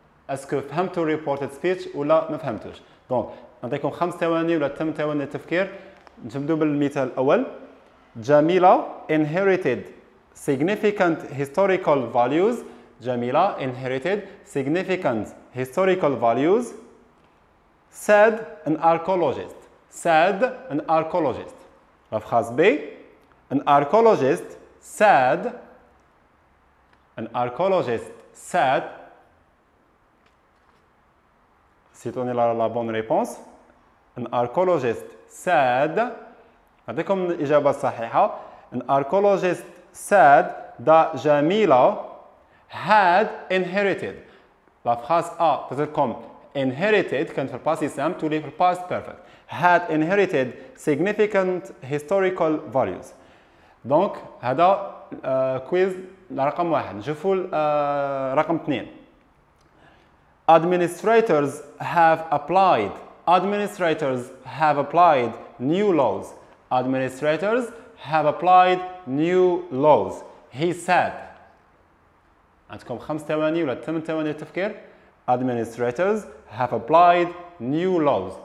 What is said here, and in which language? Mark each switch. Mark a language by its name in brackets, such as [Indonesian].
[Arabic] اسكو فهمتوا ريبورتد سبيتش ولا ما فهمتوش. دونك نعطيكم 5 ثواني ولا 8 ثواني للتفكير. نبداو بالمثال الاول. [English] جميلة inherited significant historical values. جميلة inherited significant historical values. Said an archaeologist. Said an archaeologist. [Arabic] الفراز ب. [English] An archaeologist said. An archaeologist said. [French] سيتوني لا بون ريبونس. [English] An archaeologist said. [Arabic] عندكم الإجابة الصحيحة. [English] An archaeologist said that Jamila had inherited. [French] La phrase A [Arabic] تذكركم inherited كانت في الباسي سام تولي في الباست بيرفكت. [English] Had inherited significant historical values. [Arabic] دونك هذا كويز رقم واحد. نشوفوا رقم اثنين. [English] Administrators have applied. Administrators have applied new laws. Administrators have applied new laws. He said. [Arabic] عندكم 5 ثواني ولا 8 ثواني للتفكير. [English] Administrators have applied new laws.